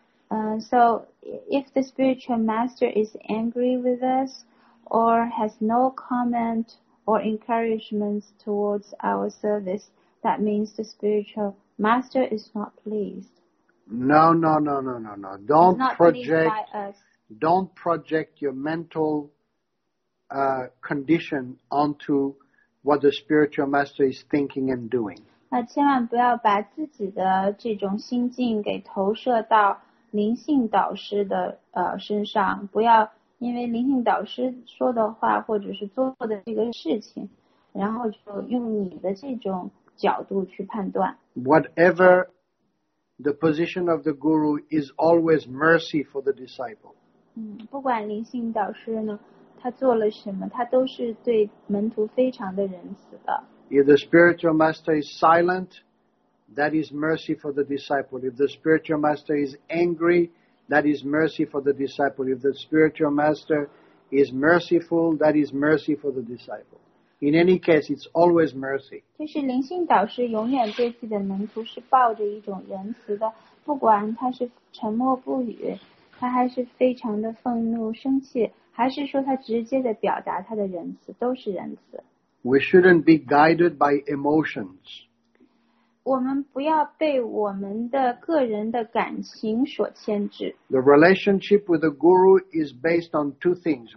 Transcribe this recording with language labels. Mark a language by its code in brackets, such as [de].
[en] So if the spiritual master is angry with us or has no comment or encouragement towards our service, that means the spiritual master is not pleased. No. Don't project, don't project your mental condition onto what the spiritual master is thinking and doing. [zh] 千万不要把自己的这种心境给投射到灵性导师的身上，不要因为灵性导师说的话或者是做的这个事情，然后就用你的这种角度去判断。 [en] Whatever the position of the guru is always mercy for the disciple. [zh] 不管灵性导师呢，他做了什么，他都是对门徒非常的仁慈的。 [en] If the spiritual master is silent, that is mercy for the disciple. If the spiritual master is angry, that is mercy for the disciple. If the spiritual master is merciful, that is mercy for the disciple. In any case, it's always mercy. [zh] 就是灵性导师永远对自己的门徒是抱着一种仁慈的，不管他是沉默不语，他还是非常的愤怒生气，还是说他直接的表达他的仁慈，都是仁慈。 [en] We shouldn't be guided by emotions. [zh] 我们不要被我们的个人的感情所牵制。 [en] The relationship with the guru is based on two things.